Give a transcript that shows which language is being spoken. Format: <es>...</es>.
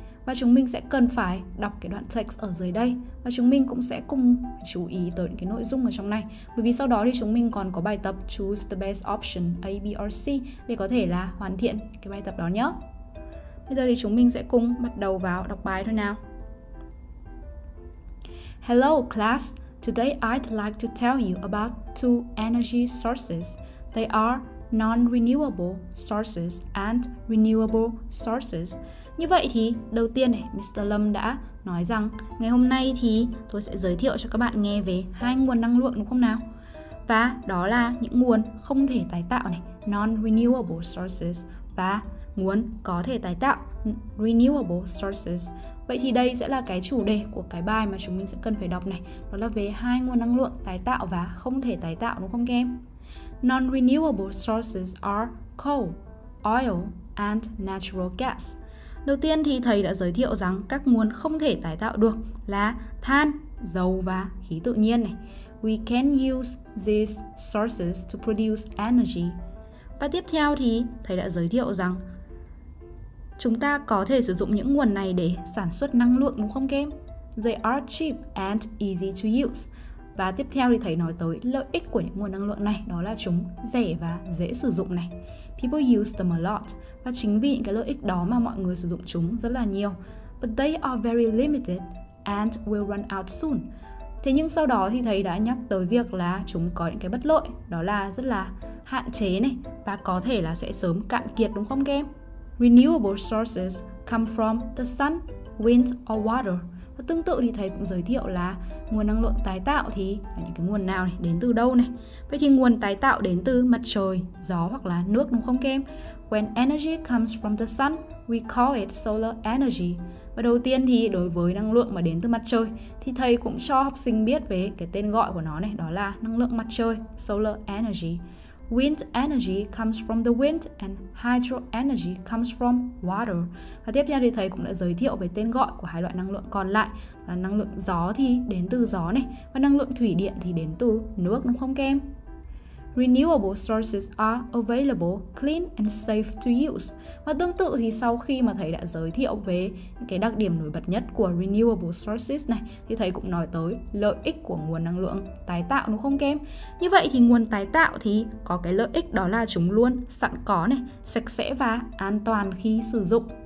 <vi>Và chúng mình sẽ cần phải đọc cái đoạn text ở dưới đây. Và chúng mình cũng sẽ cùng chú ý tới cái nội dung ở trong này. Bởi vì sau đó thì chúng mình còn có bài tập</vi> <en>Choose the best option A, B or C</en> <vi>để có thể là hoàn thiện cái bài tập đó nhé. Bây giờ thì chúng mình sẽ cùng bắt đầu vào đọc bài thôi nào.</vi> <en>Hello class, today I'd like to tell you about two energy sources. They are non-renewable sources and renewable sources.</en> <vi>Như vậy thì đầu tiên này, Mr. Lum đã nói rằng ngày hôm nay thì tôi sẽ giới thiệu cho các bạn nghe về hai nguồn năng lượng, đúng không nào? Và đó là những nguồn không thể tái tạo này, non-renewable sources, và nguồn có thể tái tạo, renewable sources. Vậy thì đây sẽ là cái chủ đề của cái bài mà chúng mình sẽ cần phải đọc này, đó là về hai nguồn năng lượng tái tạo và không thể tái tạo, đúng không các em?</vi> <en>Non-renewable sources are coal, oil and natural gas.</en> <vi>Đầu tiên thì thầy đã giới thiệu rằng các nguồn không thể tái tạo được là than, dầu và khí tự nhiên này.</vi> <en>We can use these sources to produce energy.</en> <vi>Và tiếp theo thì thầy đã giới thiệu rằng chúng ta có thể sử dụng những nguồn này để sản xuất năng lượng, đúng không kem?</vi> <en>They are cheap and easy to use.</en> <vi>Và tiếp theo thì thầy nói tới lợi ích của những nguồn năng lượng này, đó là chúng rẻ và dễ sử dụng này.</vi> <en>People use them a lot.</en> <vi>Và chính vì những cái lợi ích đó mà mọi người sử dụng chúng rất là nhiều.</vi> <en>But they are very limited and will run out soon.</en> <vi>Thế nhưng sau đó thì thầy đã nhắc tới việc là chúng có những cái bất lợi, đó là rất là hạn chế này và có thể là sẽ sớm cạn kiệt, đúng không kem?</vi> <en>Renewable sources come from the sun, wind or water.</en> <vi>Và tương tự thì thầy cũng giới thiệu là nguồn năng lượng tái tạo thì là những cái nguồn nào này, đến từ đâu này. Vậy thì nguồn tái tạo đến từ mặt trời, gió hoặc là nước, đúng không kem?</vi> <en>When energy comes from the sun, we call it solar energy.</en> <vi>Và đầu tiên thì đối với năng lượng mà đến từ mặt trời thì thầy cũng cho học sinh biết về cái tên gọi của nó này, đó là năng lượng mặt trời, solar energy.</vi> <en>Wind energy comes from the wind and hydro energy comes from water.</en> <vi>Và tiếp theo thì thầy cũng đã giới thiệu về tên gọi của hai loại năng lượng còn lại là năng lượng gió thì đến từ gió này và năng lượng thủy điện thì đến từ nước, đúng không kem?</vi> <en>Renewable sources are available, clean and safe to use.</en> <vi>Và tương tự thì sau khi mà thầy đã giới thiệu về cái đặc điểm nổi bật nhất của renewable sources này thì thầy cũng nói tới lợi ích của nguồn năng lượng tái tạo, đúng không kem? Như vậy thì nguồn tái tạo thì có cái lợi ích đó là chúng luôn sẵn có này, sạch sẽ và an toàn khi sử dụng.</vi>